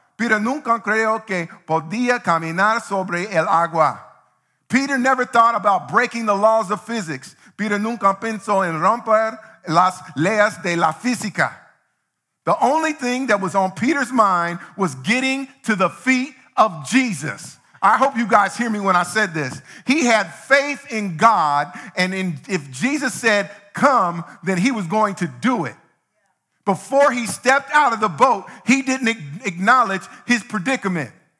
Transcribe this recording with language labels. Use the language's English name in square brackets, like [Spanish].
[Spanish] Peter nunca creyó que podía caminar sobre el agua. [English] Peter never thought about breaking the laws of physics. [Spanish] Peter nunca pensó en romper las leyes de la física. [English] The only thing that was on Peter's mind was getting to the feet of Jesus. I hope you guys hear me when I said this. He had faith in God, and if Jesus said, come, then he was going to do it. Before he stepped out of the boat, he didn't acknowledge his predicament.